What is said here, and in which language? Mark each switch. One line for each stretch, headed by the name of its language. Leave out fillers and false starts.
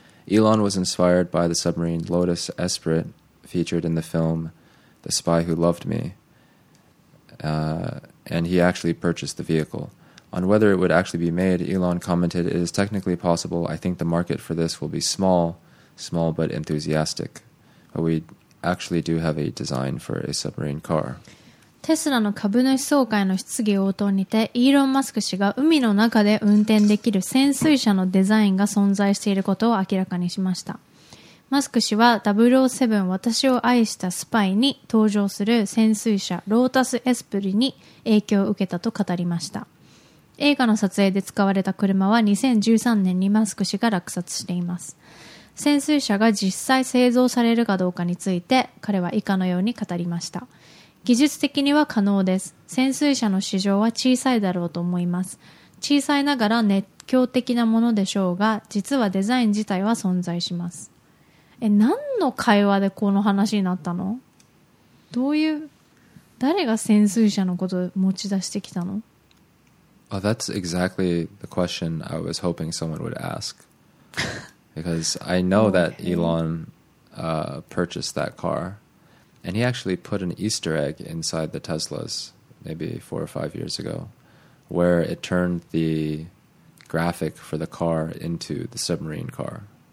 English: Elon was inspired by the submarine Lotus Esprit featured in the film The Spy Who Loved Me, and he actually purchased the vehicle. On whether it would actually be made, Elon commented, It is technically possible. I think the market for this will be small but enthusiastic. But we actually do have a design for a submarine car.
Japanese: テスラの株主総会の質疑応答にてイーロン・マスク氏が海の中で運転できる潜水車のデザインが存在していることを明らかにしましたマスク氏は007私を愛したスパイに登場する潜水車ロータス・エスプリに影響を受けたと語りました映画の撮影で使われた車は2013年にマスク氏が落札しています潜水車が実際製造されるかどうかについて彼は以下のように語りました技術的には可能です。潜水車の市場は小さいだろうと思います。小さいながら熱狂的なものでしょうが、実はデザイン自体は存在します。え、何の会話でこの話になったの？どういう、誰が潜水車のことを持ち出してきたの？
English: Oh, that's exactly the question I was hoping someone would ask. Because I know that Elon, purchased that car.And he actually put an Easter egg inside the Tesla's maybe 4 or 5 years ago, where it turned the graphic for the car into the submarine car.